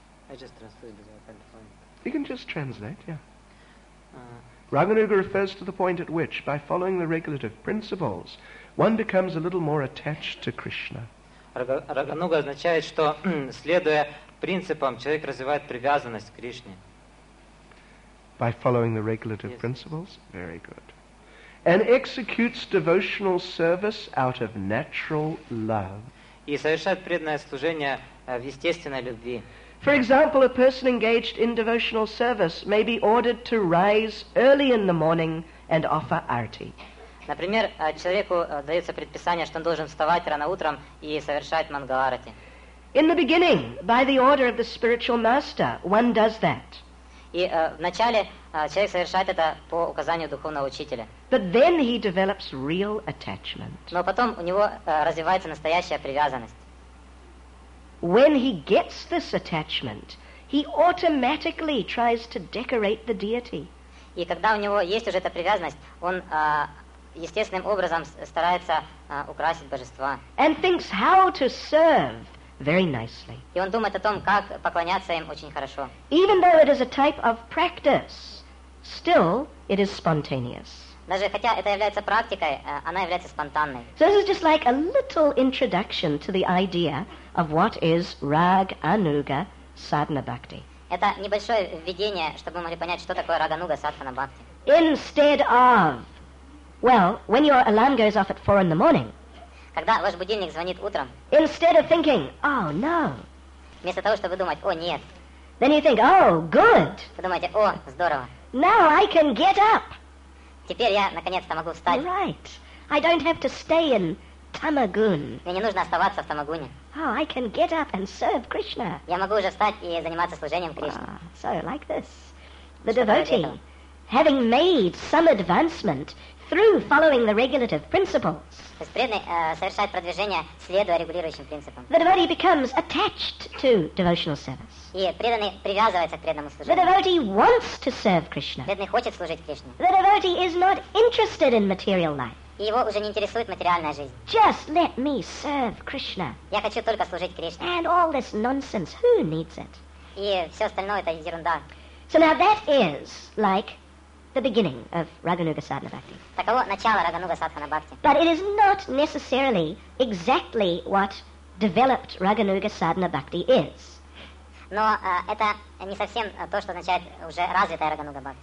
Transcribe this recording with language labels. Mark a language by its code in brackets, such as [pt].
[en] I just translated that. You can just translate, yeah. Raganuga refers to the point at which, by following the regulative principles, one becomes a little more attached to Krishna. [ru] Рагануга означает, что следуя принципам, человек развивает привязанность к Кришне. [en] By following the regulative principles? Very good. And executes devotional service out of natural love. [ru] И совершает преданное служение в естественной любви. [en] For example, a person engaged in devotional service may be ordered to rise early in the morning and offer arti. [ru] Например, человеку дается предписание, что он должен вставать рано утром и совершать мангаларати. [en] In the beginning, by the order of the spiritual master, one does that. [ru] И вначале человек совершает это по указанию духовного учителя. [en] But then he develops real attachment. [ru] Но потом у него развивается настоящая привязанность. [en] When he gets this attachment, he automatically tries to decorate the deity. [ru] И когда у него есть уже эта привязанность, он естественным образом старается украсить божества. [en] And thinks how to serve very nicely. [ru] И он думает о том, как поклоняться им очень хорошо. [en] Even though it is a type of practice, still it is spontaneous. [ru] Даже хотя это является практикой, она является спонтанной. [en] So this is just like a little introduction to the idea of what is Rag Anuga Sadhana Bhakti. [ru] Это небольшое введение, чтобы мы могли понять, что такое Rag Anuga Sadhana Bhakti. [en] Instead of, well, when your alarm goes off at 4 in the morning, [ru] когда ваш будильник звонит утром, [en] instead of thinking, oh, no, [ru] вместо того, чтобы думать, о, нет, [en] then you think, oh, good, [ru] вы думаете, о, здорово, [en] now I can get up. [ru] Теперь я наконец-то могу встать. [en] Right. I don't have to stay in Tamagun. [ru] Мне не нужно оставаться в Тамагуне. [en] Oh, I can get up and serve Krishna. [ru] Я могу уже встать и заниматься служением Кришне. [en] So, like this. The devotee, having made some advancement through following the regulative principles, [ru] то есть преданный совершает продвижение, следуя регулирующим принципам. [en] The devotee becomes attached to devotional service. [ru] И преданный привязывается к преданному служению. [en] The devotee wants to serve Krishna. [ru] Преданный хочет служить Кришне. [en] The devotee is not interested in material life. [ru] И его уже не интересует материальная жизнь. [en] Just let me serve Krishna. [ru] Я хочу только служить Кришне. [en] And all this nonsense, who needs it? [ru] И все остальное это ерунда. [en] So now that is like the beginning of Raganuga Sadhana Bhakti. [ru] Таково начало Raganuga Sadhana Bhakti. [en] But it is not necessarily exactly what developed Raganuga Sadhana Bhakti is. [ru] Но это не совсем то, что означает уже развитая Raganuga Bhakti.